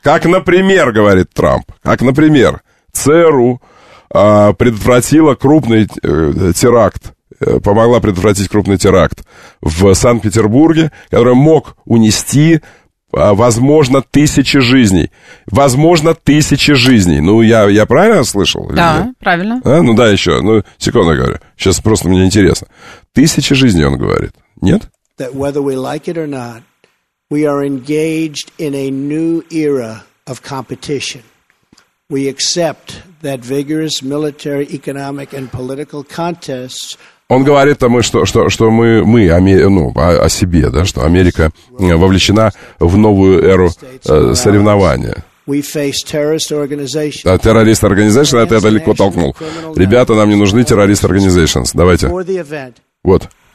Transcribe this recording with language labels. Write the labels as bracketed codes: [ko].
[ru] Как, например, говорит Трамп, как, например, ЦРУ предотвратила крупный теракт, помогла предотвратить крупный теракт в Санкт-Петербурге, который мог унести... Возможно, тысячи жизней. Возможно, тысячи жизней. Ну, я правильно слышал? Да, или правильно. А? Ну, да, еще. Ну, секунду, я говорю. Сейчас просто мне интересно. Тысячи жизней, он говорит. Нет? [en] That whether we like it or not, we are engaged in a new era of competition. We accept that vigorous military, economic and political contests... [ru] Он говорит, о себе, да, что Америка вовлечена в новую эру соревнования. А [en] террорист организейшн, [ru] это я далеко толкнул. Ребята, нам не нужны [en] террорист организейшнс. [ru] Давайте. Вот.